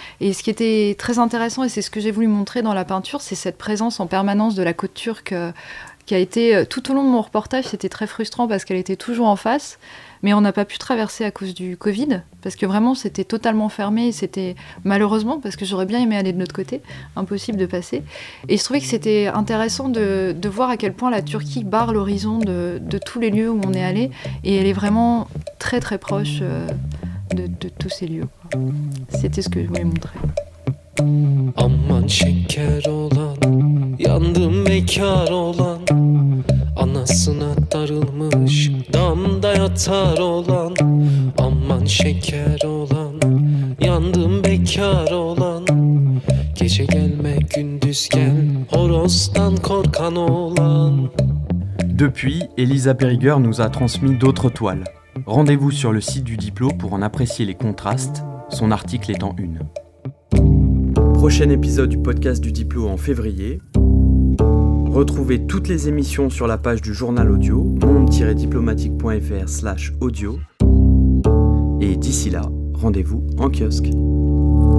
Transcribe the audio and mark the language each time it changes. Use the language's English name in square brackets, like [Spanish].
[French] Et ce qui était très intéressant, et c'est ce que j'ai voulu montrer dans la peinture, c'est cette présence en permanence de la côte turque, qui a été tout au long de mon reportage, c'était très frustrant parce qu'elle était toujours en face, mais on n'a pas pu traverser à cause du Covid, parce que vraiment c'était totalement fermé, et c'était malheureusement, parce que j'aurais bien aimé aller de notre côté, impossible de passer. Et je trouvais que c'était intéressant de voir à quel point la Turquie barre l'horizon de tous les lieux où on est allé, et elle est vraiment très très proche de tous ces lieux. C'était ce que je voulais montrer. [Turkish] Aman şeker olan, yandım bekar olan, anasına darılmış, damda yatar olan. Aman şeker olan, yandım bekar olan, gece gelme gündüz gel, horozdan korkan olan. [French] Depuis, Elisa Périgueur nous a transmis d'autres toiles. Rendez-vous sur le site du Diplo pour en apprécier les contrastes, son article étant une. Prochain épisode du podcast du Diplo en février. Retrouvez toutes les émissions sur la page du journal audio monde-diplomatique.fr/audio. Et d'ici là, rendez-vous en kiosque.